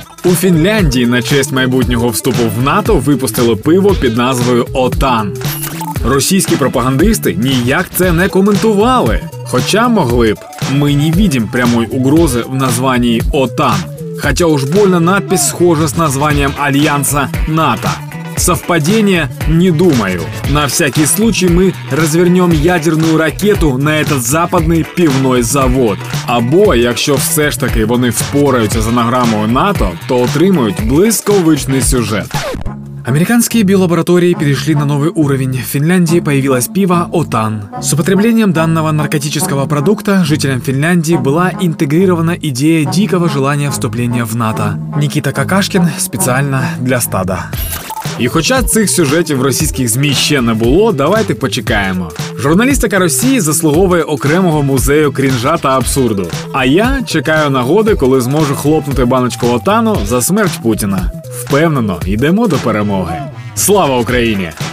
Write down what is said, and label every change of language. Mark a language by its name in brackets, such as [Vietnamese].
[Ukrainian] У Фінляндії на честь майбутнього вступу в НАТО випустили пиво під назвою «Отан». Російські пропагандисти ніяк це не коментували. Хоча могли б. Ми не видим прямої угрози в названні «Отан». Хоча [Russian] уж больно надпись схожа [Ukrainian] з названням [Russian] альянса НАТО. Совпадение? Не думаю. На всякий случай мы развернем ядерную ракету на этот западный пивной завод. [Ukrainian] Або, якщо все ж таки вони впораються з анаграмою НАТО, то отримують блисковичний сюжет. [Russian] Американские биолаборатории перешли на новый уровень. В Финляндии появилось пиво «Отан». С употреблением данного наркотического продукта жителям Финляндии была интегрирована идея дикого желания вступления в НАТО. Никита Какашкин специально для «Стада». [Ukrainian] І хоча цих сюжетів в російських ЗМІ ще не було, давайте почекаємо. Журналістика Росії заслуговує окремого музею крінжа та абсурду. А я чекаю нагоди, коли зможу хлопнути баночку «Отану» за смерть Путіна. Впевнено, йдемо до перемоги. Слава Україні!